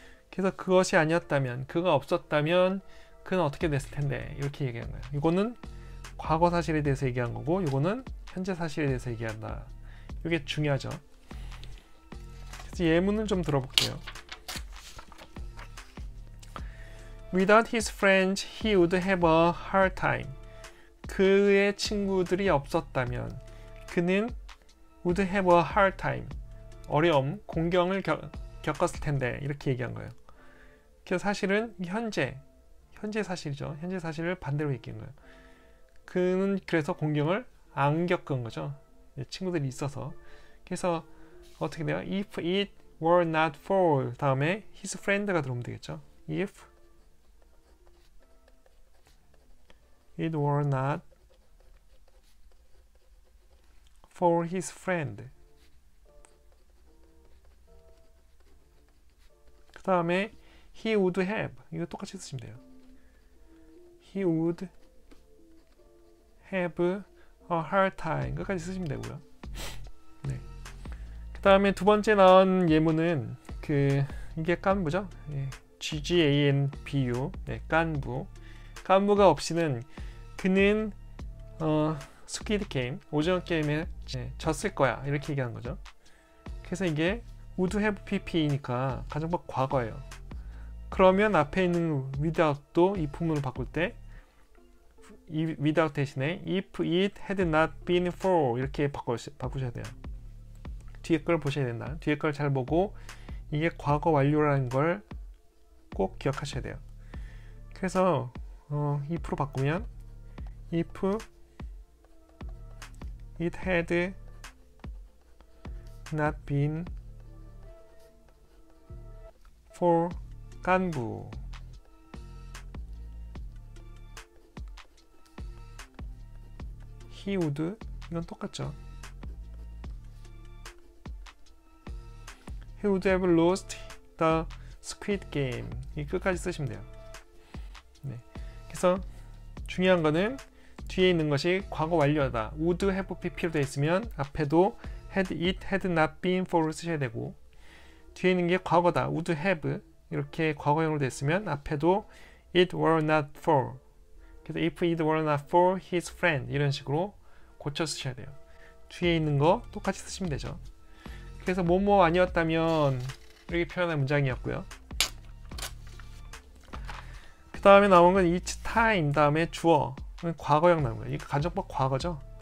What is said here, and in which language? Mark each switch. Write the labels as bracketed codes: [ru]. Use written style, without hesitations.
[ko] 그래서 그것이 아니었다면, 그가 없었다면 그는 어떻게 됐을 텐데 이렇게 얘기한 거예요. 이거는 과거 사실에 대해서 얘기한 거고, 이거는 현재 사실에 대해서 얘기한다. 이게 중요하죠. 그래서 예문을 좀 들어볼게요. [en] Without his friends, he would have a hard time. [ko] 그의 친구들이 없었다면, 그는 [en] would have a hard time. [ko] 어려움, 공경을 겪었을 텐데 이렇게 얘기한 거예요. 그래서 사실은 현재 사실이죠. 현재 사실을 반대로 얘기한 거예요. 그는 그래서 공경을 안 겪은 거죠. 친구들이 있어서. 그래서 어떻게 돼요? [en] If it were not for [ko] 다음에 [en] his friend가 [ko] 들어오면 되겠죠. [en] If it were not for his friend. [ko] 그 다음에 [en] he would have, [ko] 이거 똑같이 쓰시면 돼요. [en] He would have a hard time. [ko] 끝까지 쓰시면 되고요. 네. 그 다음에 두 번째 나온 예문은 이게 깐부죠? 네. GGANBU. 네, 깐부. 깐부가 없이는 그는 스퀴드 게임, 오징어 게임에 졌을 거야 이렇게 얘기하는 거죠. 그래서 이게 would have pp이니까 가정법 과거예요. 그러면 앞에 있는 without도 if문으로 바꿀 때 without 대신에 [en] if it had not been for [ko] 이렇게 바꾸셔야 돼요. 뒤에 걸 보셔야 된다. 뒤에 걸잘 보고 이게 과거 완료라는 걸꼭 기억하셔야 돼요. 그래서 if로 바꾸면 [en] if it had not been for 간부 he would [ko] 이건 똑같죠. [en] He would have lost the squid game. [ko] 이 끝까지 쓰시면 돼요. 네. 그래서 중요한 거는 뒤에 있는 것이 과거 완료다. [en] Would have fulfilled [ko] 있으면 앞에도 [en] had it had not been for [ko] 쓰셔야 되고 뒤에 있는 게 과거다. [en] Would have [ko] 이렇게 과거형으로 됐으면 앞에도 [en] it were not for. [ko] 그래서 [en] if it were not for his friend [ko] 이런 식으로 고쳐 쓰셔야 돼요. 뒤에 있는 거 똑같이 쓰시면 되죠. 그래서 뭐뭐 아니었다면 이렇게 표현할 문장이었고요. 그 다음에 나온 건 each time 다음에 주어 과거형 나온 거예요. 이거 간접법 과거죠.